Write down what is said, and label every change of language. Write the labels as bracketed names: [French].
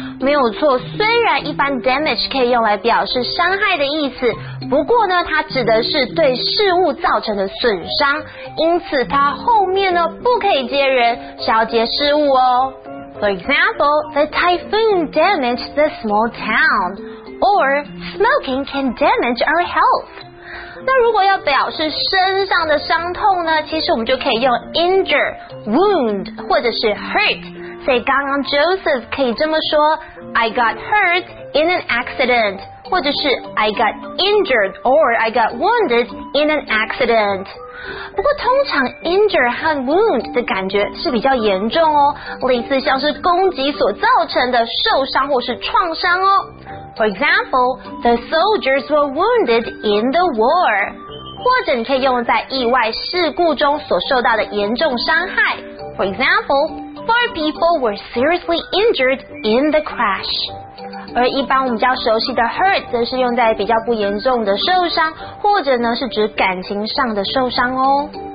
[Chinese] 没有错，虽然一般 damage 可以用来表示伤害的意思，不过呢，它指的是对事物造成的损伤，因此它后面呢不可以接人，是要接事物哦。 [English] For example, the typhoon damaged the small town, or smoking can damage our health. [Chinese] 那如果要表示身上的伤痛呢，其实我们就可以用 injure, wound 或者是 hurt。所以刚刚 Joseph 可以这么说 ： [English] I got hurt in an accident。 [Chinese] 或者是 [English] I got injured or I got wounded in an accident. [Chinese] 不过通常 injure 和 wound 的感觉是比较严重哦，类似像是攻击所造成的受伤或是创伤哦。 [English] For example, the soldiers were wounded in the war. [Chinese] 或者你可以用在意外事故中所受到的严重伤害。 [English] For example, four people were seriously injured in the crash. [Chinese] 而一般我们比较熟悉的 hurt 则是用在比较不严重的受伤，或者呢是指感情上的受伤哦。